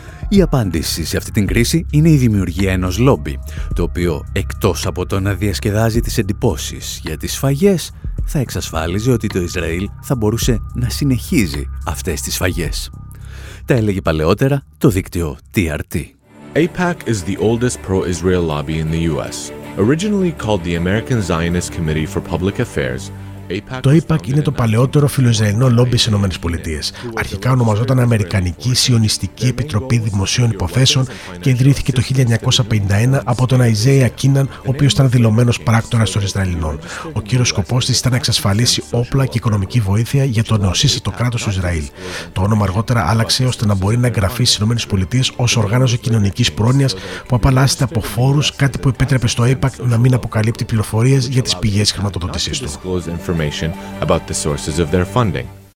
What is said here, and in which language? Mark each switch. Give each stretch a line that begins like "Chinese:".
Greek: Η απάντηση σε αυτή την κρίση είναι η δημιουργία ενός λόμπι, το οποίο εκτός από το να διασκεδάζει τις εντυπώσεις για τις σφαγές, θα εξασφάλιζε ότι το Ισραήλ θα μπορούσε να συνεχίζει αυτές τις σφαγές. Τα έλεγε παλαιότερα το δίκτυο TRT.
English: AIPAC is the oldest pro-Israel lobby in the US. Originally called the American Zionist Committee for Public Affairs.
Greek: Το AIPAC είναι το παλαιότερο φιλοϊσραηλινό λόμπι στις Ηνωμένες Πολιτείες. Αρχικά ονομαζόταν Αμερικανική Σιωνιστική Επιτροπή Δημοσίων Υποθέσεων και ιδρύθηκε το 1951 από τον Αϊζέα Κίναν, ο οποίος ήταν δηλωμένος πράκτορας των Ισραηλινών. Ο κύριος σκοπός της ήταν να εξασφαλίσει όπλα και οικονομική βοήθεια για το νεοσύστατο κράτος του Ισραήλ. Το όνομα αργότερα άλλαξε ώστε να μπορεί να εγγραφεί στις Ηνωμένες Πολιτείες ως οργάνωση κοινωνικής πρόνοιας που απαλλάσσεται από φόρους, κάτι που επέτρεπε στο AIPAC να μην αποκαλύπτει πληροφορίες για τις πηγές χρηματοδότησής του.
English: About the sources of their funding.